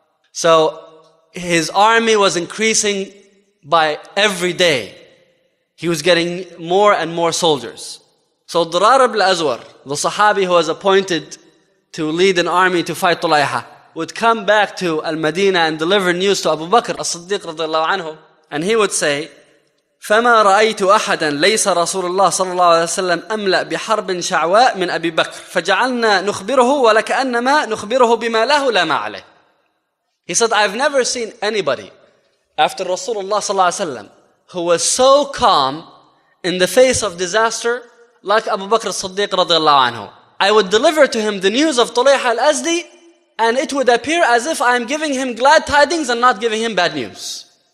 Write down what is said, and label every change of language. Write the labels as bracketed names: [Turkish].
[English] So his army was increasing by every day. He was getting more and more soldiers. So Darar ibn al-Azwar, the Sahabi who was appointed to lead an army to fight Tulayha, would come back to Al-Madinah and deliver news to Abu Bakr as-Siddiq radiallahu anhu. And he would say, [Arabic] فَمَا رَأَيْتُ أَحَدًا لَيْسَ رَسُولُ اللَّهِ صَلَّى اللَّهُ عَلَيْهِ وَسَلَّمْ أَمْلَأْ بِحَرْبٍ شَعْوَاءٍ مِنْ أَبِي بَكْرٍ فَجَعَلْنَا نُخْبِرُهُ وَلَكَأَنَّمَا نُخْبِرُهُ بِمَا لَهُ لَا مَا عَلَيْهِ. [English] He said, I've never seen anybody after Rasulullah sallallahu alayhi wa sallam who was so calm in the face of disaster like Abu Bakr as-Siddiq radiallahu anhu. I would deliver to him the news of Tulayha al-Azdi, and it would appear as if I'm giving him glad tidings and not giving him bad news.